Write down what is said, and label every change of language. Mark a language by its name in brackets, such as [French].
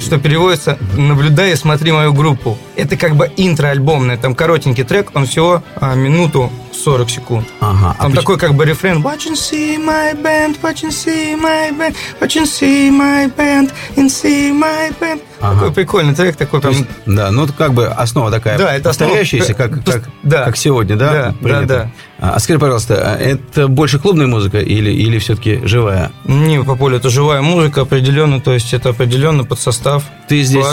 [Russian] что переводится «Наблюдай и смотри мою группу». Это как бы интро-альбомный, там коротенький трек, он всего минуту 40 секунд. Ага. Там такой как бы рефрен. [English] Watch and see my band, watch and see my band, watch and see my band, and see my band. [Russian] Ага. Такой прикольный трек такой. Прям... Есть, да, ну как бы основа такая. Да, это повторяющаяся, основа... как, да, как сегодня, да? Да, принято. Да, да. А скажи, пожалуйста, это больше клубная музыка или все-таки живая? Не, по полю это живая музыка определенно, то есть это определенно под состав. Ты здесь...